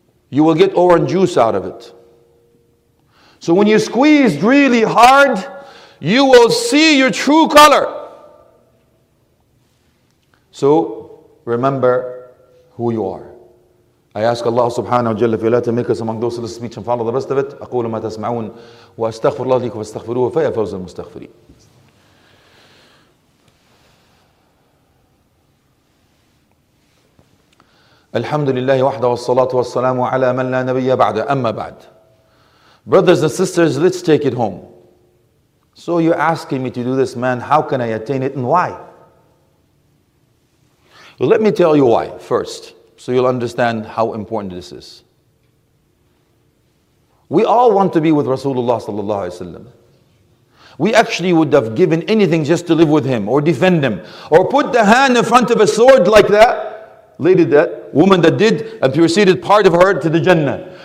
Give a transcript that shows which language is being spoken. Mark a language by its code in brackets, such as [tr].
[en] You will get orange juice out of it. So when you squeeze really hard, you will see your true color. So, remember who you are. I ask Allah subhanahu wa jalla fiyalah to make us among those of the speech and follow the rest of it. [ar] أقول ما تسمعون وأستغفر الله لكم وأستغفروه فيا فوز المستغفرين. الحمد لله وحده والصلاة والسلام على من لا نبي بعد أما بعد. [en] Brothers and sisters, let's take it home. So you're asking me to do this, man, how can I attain it and why? Well, let me tell you why first, so you'll understand how important this is. We all want to be with Rasulullah sallallahu alaihi wasallam. We actually would have given anything just to live with him or defend him or put the hand in front of a sword like that lady, that woman that did, and preceded part of her to the Jannah.